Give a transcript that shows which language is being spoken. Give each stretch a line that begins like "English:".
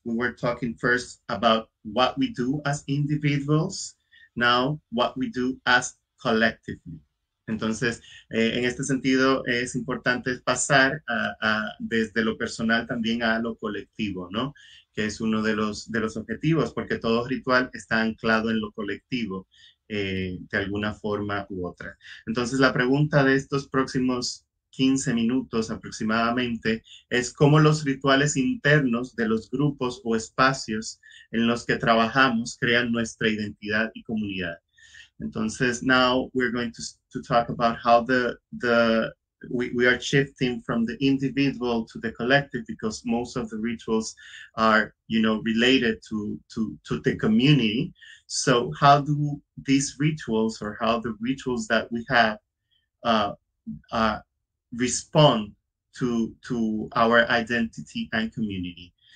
English: We were talking first about what we do as individuals, now what we do as collectively.
Spanish: Entonces, en este sentido, es importante pasar desde lo personal también a lo colectivo, ¿no? Que es uno de los objetivos, porque todo ritual está anclado en lo colectivo, de alguna forma u otra. Entonces, la pregunta de estos próximos 15 minutos aproximadamente, es cómo los rituales internos de los grupos o espacios en los que trabajamos crean nuestra identidad y comunidad.
English: Entonces, now we're going to talk about how we are shifting from the individual to the collective, because most of the rituals are, you know, related to the community. So how do these rituals, or how the rituals that we have respond to our identity and community.